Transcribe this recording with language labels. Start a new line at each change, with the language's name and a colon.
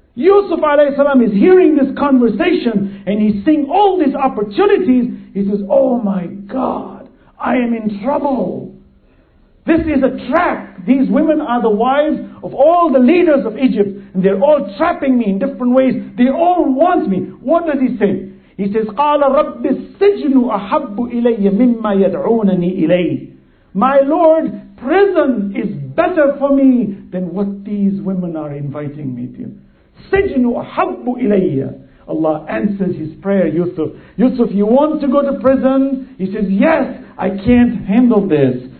English: Yusuf alayhi salam is hearing this conversation and he's seeing all these opportunities. He says, oh my God, I am in trouble. This is a trap. These women are the wives of all the leaders of Egypt and they're all trapping me in different ways. They all want me. What does he say? He says,
Arabic: قَالَ رَبِّ السِّجْنُ أَحَبُّ إِلَيَّ مِمَّا يَدْعُونَنِي إِلَيْهِ.
English: My Lord, prison is better for me than what these women are inviting me to.
Arabic: Sijnu ahabbu ilayya.
English: Allah answers his prayer, Yusuf. Yusuf, you want to go to prison? He says, yes, I can't handle this.